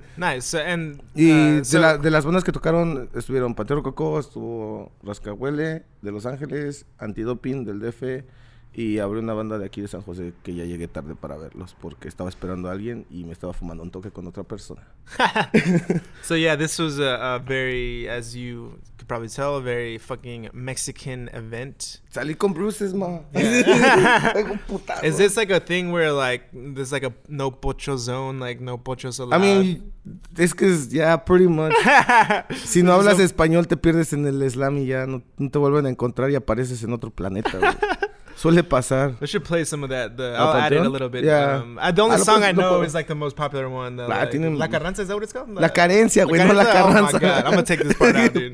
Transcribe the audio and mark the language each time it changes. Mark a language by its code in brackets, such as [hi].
[en] Nice. [es] De las bandas que tocaron estuvieron Panteón Rococó, estuvo Rascahuele de Los Ángeles, Antidoping del DF... Y abrí una banda de aquí de San José que ya llegué tarde para verlos porque estaba esperando a alguien y me estaba fumando un toque con otra persona. [en] So yeah, this was a very, as you could probably tell, a very fucking Mexican event. [es] Salí con bruces, ma. [en] Yeah. Is this like a thing where like there's like a no pocho zone, like no pochos allowed? I mean, es que pretty much. [es] Si no hablas español te pierdes en el slam y ya no te vuelven a encontrar y apareces en otro planeta, güey. Suele pasar. [en] I should play some of that. I'll add it a little bit. Yeah. The only song I know is like the most popular one. La Carranza, is that what it's called? [es] La Carencia, güey. No, La Carranza. [en] Oh my God. I'm going to take this part out, dude.